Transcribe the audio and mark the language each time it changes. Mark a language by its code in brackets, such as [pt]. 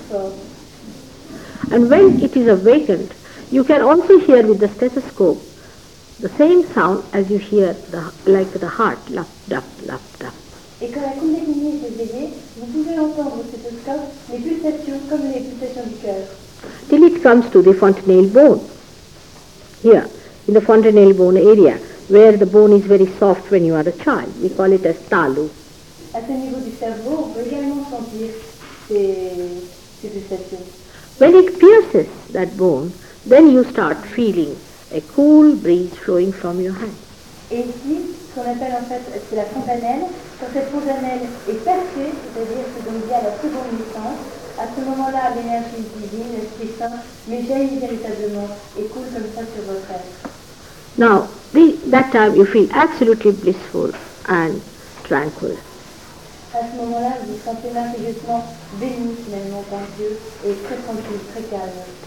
[en] And when it is awakened, you can also hear with the stethoscope the same sound as you hear the, like the heart, lap, dap, lap, dap. [fr] Et quand la Kundalini est éveillée, vous pouvez entendre au stéthoscope les pulsations comme les pulsations du cœur. [en] Till it comes to the fontanelle bone. Here, in the fontanelle bone area, where the bone is very soft when you are a child. We call it as talu. [fr] À ce niveau du cerveau, on peut également sentir ces pulsations. [en] When it pierces that bone, then you start feeling a cool breeze flowing from your hand. [fr] Et ici, ce qu'on appelle en fait, c'est la fontanelle. Quand cette fontanelle est percée, c'est-à-dire que donc il y a la seconde naissance, à ce moment-là, l'énergie divine, l'esprit saint, mais jaillit véritablement et coule comme ça sur votre être. [en] Now, that time, you feel absolutely blissful and tranquil. [fr] À ce moment-là, vous vous sentez merveilleusement béni finalement par Dieu et très tranquille, très calme.